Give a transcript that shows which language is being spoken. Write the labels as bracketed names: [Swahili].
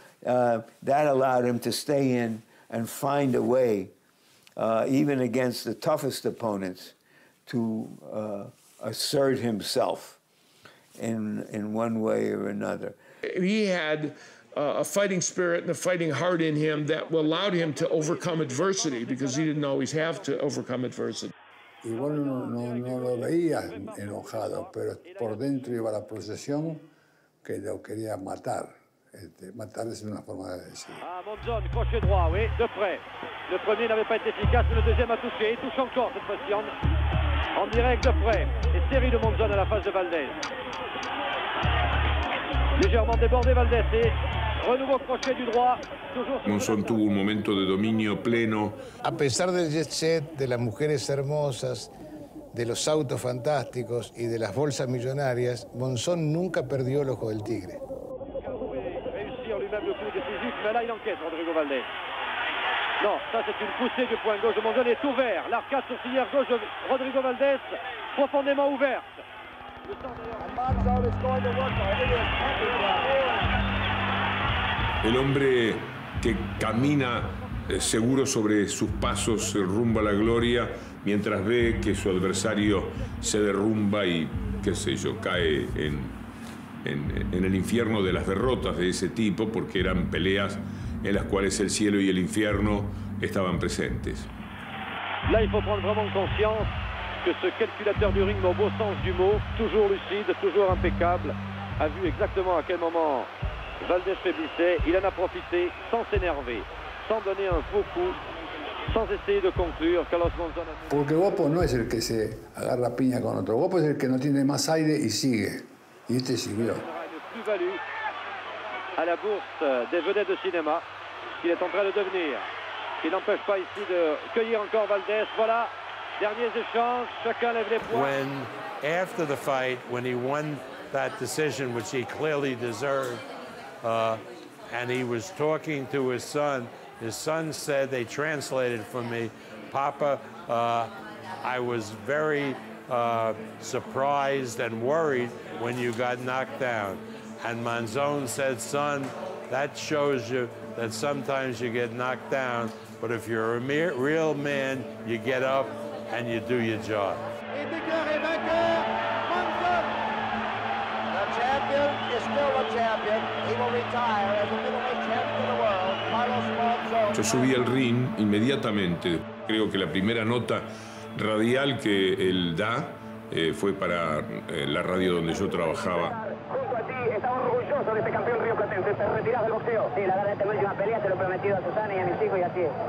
[English] That allowed him to stay in and find a way, even against the toughest opponents, to assert himself in one way or another. He had a fighting spirit and a fighting heart in him that allowed him to overcome adversity because he didn't always have to overcome adversity. [Spanish] Y bueno, no lo veía enojado, pero por dentro iba la procesión que lo quería matar. Matar es una forma de decir. [French] Ah, Monzón, coche droit, oui, de près. Le premier n'avait pas été efficace, le deuxième a touché, il touche encore cette fois-ci. En direct de près, et série de Monzón à la face de Valdés. Légèrement débordé Valdés et renouveau crochet du droit. [Spanish] Monzón tuvo un momento de dominio pleno. A pesar del jet set, de las mujeres hermosas, de los autos fantásticos y de las bolsas millonarias, Monzón nunca perdió el ojo del tigre. [French] Réussir lui-même le coup décisif, mais là il encaisse Rodrigo Valdés. Non, ça c'est une poussée du point gauche de Monzón, est ouvert. L'arcade sourcilière gauche de Rodrigo Valdés, profondément ouverte. [Spanish] El hombre que camina seguro sobre sus pasos rumbo a la gloria mientras ve que su adversario se derrumba y, qué sé yo, cae en el infierno de las derrotas de ese tipo, porque eran peleas en las cuales el cielo y el infierno estaban presentes. [French] Là, il faut prendre vraiment conscience que ce calculateur du ring, au beau sens du mot, toujours lucide, toujours impeccable, a vu exactement à quel moment Valdés faiblissait. Il en a profité sans s'énerver, sans donner un faux coup, sans essayer de conclure. Carlos Monzón. [Spanish] Porque guapo no es el que se agarra piña con otro. Guapo es el que no tiene más aire y sigue. Y este siguió. [French] À la bourse des vedettes de cinéma qu'il est en train de devenir, qui n'empêche pas ici de cueillir encore Valdés. Voilà, derniers échanges, chacun lève les poings. [English] When, after the fight, when he won that decision, which he clearly deserved, and he was talking to his son said, they translated for me, Papa, I was very surprised and worried when you got knocked down. And Monzón said, son, that shows you that sometimes you get knocked down, but if you're a real man, you get up and you do your job. [French] Et déclaré vainqueur, Monzón! [English] The champion is still a champion. He will retire as the middleweight champion of the world. [Spanish] Yo subí al ring inmediatamente. Creo que la primera nota radial que él da fue para la radio donde yo trabajaba. Junto a ti, está orgulloso de este campeón rioplatense. Te retiras del boxeo. Sí, la verdad, esta última pelea se lo he prometido a Susana y a mis hijos y a ti.